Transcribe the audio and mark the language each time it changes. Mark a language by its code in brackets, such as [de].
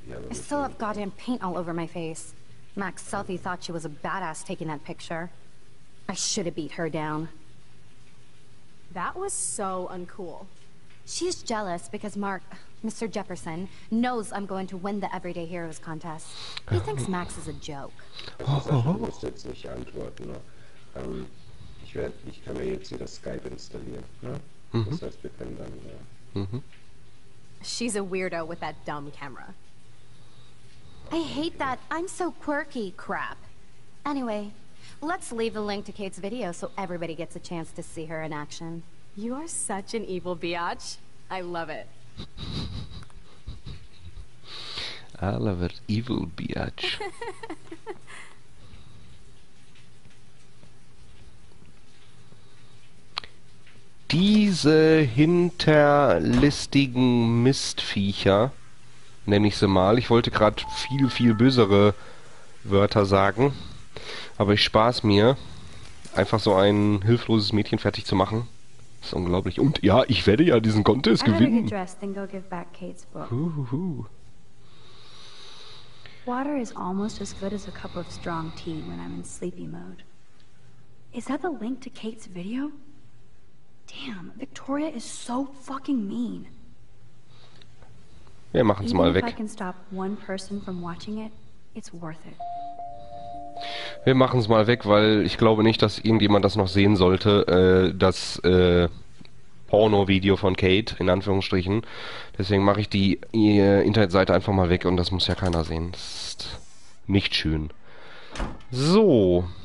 [en] I still have goddamn paint all over my face. Max Southey thought she was a badass taking that picture. I should have beat her down. That was so uncool. She's jealous because Mark, Mr. Jefferson, knows I'm going to win the Everyday Heroes contest. He thinks Max is a joke. [de] Ich muss jetzt nicht antworten, ne? Ich kann mir jetzt wieder Skype installieren, ne? Das heißt, wir können dann, ja. [en] She's a weirdo with that dumb camera. I hate that I'm so quirky crap. Anyway, let's leave the link to Kate's video so everybody gets a chance to see her in action. You are such an evil biatch. I love it. I love it, evil biatch. [de] Diese hinterlistigen Mistviecher, nenne ich sie mal. Ich wollte gerade viel, viel bösere Wörter sagen, aber ich spare es mir, einfach so ein hilfloses Mädchen fertig zu machen. Ist unglaublich. Und ja, ich werde ja diesen Contest gewinnen. [en] Water is almost as good as a cup of strong tea when I'm in sleepy mode. Is that the link to Kate's video? Damn, Victoria is so fucking mean. [de] Wir machen's [en] Even [de] mal weg. [en] If I can stop one person from watching it, it's worth it. [de] Wir machen's mal weg, weil ich glaube nicht, dass irgendjemand das noch sehen sollte, das Porno-Video von Kate, in Anführungsstrichen. Deswegen mache ich die Internetseite einfach mal weg und das muss ja keiner sehen. Das ist nicht schön. So.